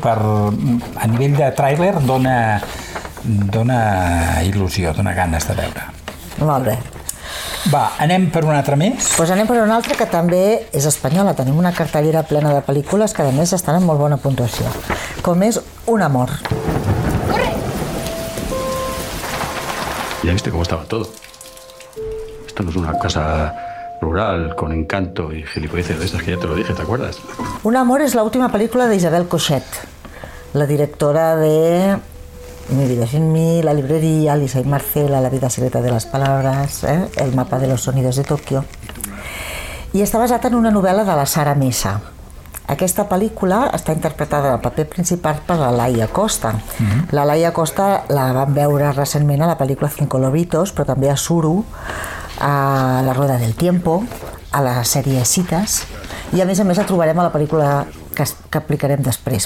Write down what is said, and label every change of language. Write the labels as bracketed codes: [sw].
[ca] Per, a nivell de tràiler dona il·lusió, dona ganes de veure. Molt bé. Va, anem per una altra més? Doncs pues anem per una altra que també és espanyola. Tenim una cartellera plena de pel·lícules que, a més, estan en molt bona puntuació. Com és Un amor. [es] ¡Corre! Ya viste cómo estaba todo. Esto no es una casa rural con encanto y gilipolleces de esas que ya te lo dije, ¿te acuerdas? [ca] Un amor és l'última pel·lícula d'Isabel Coixet, la directora de Mi vida sin mí, La librería, Lisa y Marcela, La vida secreta de las palabras, ¿eh? [es] El mapa de los sonidos de Tokio. [ca] I està basat en una novel·la de la Sara Mesa. Aquesta pel·lícula està interpretada al paper principal per la Laia Costa. La Laia Costa la vam veure recentment a la pel·lícula Cinco Lobitos, però també a Suru, a La rueda del tiempo, a la sèrie Cites, i a més la trobarem a la pel·lícula que aplicarem després.